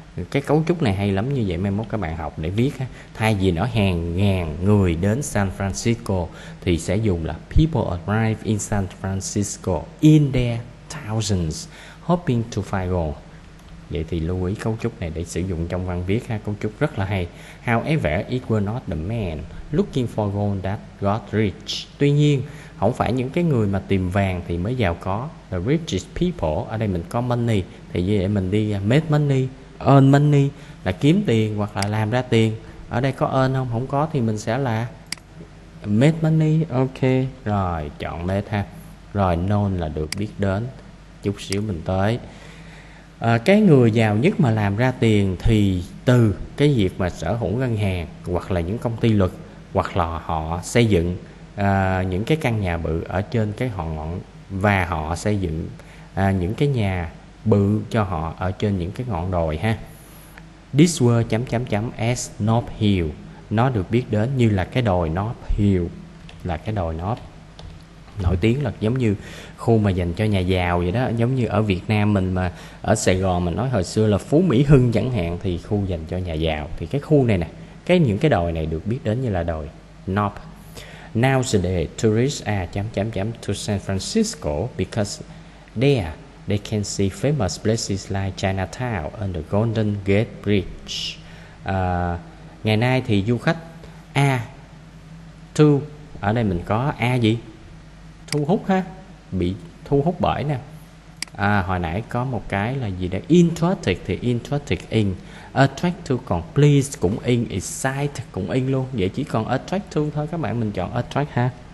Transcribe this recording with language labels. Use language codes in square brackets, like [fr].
[vi] Cái cấu trúc này hay lắm, như vậy mai mốt các bạn học để viết ha. Thay vì nó hàng ngàn người đến San Francisco thì sẽ dùng là [en] people arrive in San Francisco in their thousands hoping to find gold. [vi] Vậy thì lưu ý cấu trúc này để sử dụng trong văn viết ha, cấu trúc rất là hay. [en] However, it was not the man looking for gold that got rich. [vi] Tuy nhiên, không phải những cái người mà tìm vàng thì mới giàu có. [en] The richest people, [vi] ở đây mình có money, thì như vậy mình đi [en] make money, earn money [vi] là kiếm tiền hoặc là làm ra tiền. Ở đây có earn không? Không có thì mình sẽ là made money. Ok, rồi chọn made ha. Rồi known là được biết đến. Chút xíu mình tới. Cái người giàu nhất mà làm ra tiền thì từ cái việc mà sở hữu ngân hàng hoặc là những công ty luật, hoặc là họ xây dựng những cái căn nhà bự ở trên cái họ ngọn, và họ xây dựng những cái nhà bự cho họ ở trên những cái ngọn đồi ha. [en] This word as Nob Hill, [vi] nó được biết đến như là cái đồi Nob Hill, là cái đồi Nob nổi tiếng, là giống như khu mà dành cho nhà giàu vậy đó. Giống như ở Việt Nam mình mà ở Sài Gòn mình nói hồi xưa là Phú Mỹ Hưng chẳng hạn, thì khu dành cho nhà giàu. Thì cái khu này nè, cái những cái đồi này được biết đến như là đồi Nob. [en] Nowadays, tourists are to San Francisco because there they can see famous places like Chinatown and the Golden Gate Bridge. [vi] Ngày nay thì du khách A to, ở đây mình có A gì? Thu hút ha, bị thu hút bởi nè. À, hồi nãy có một cái là gì đấy, interested thì interested in, attract to còn please cũng in, excite cũng in luôn, vậy chỉ còn attract to thôi các bạn, mình chọn attract ha.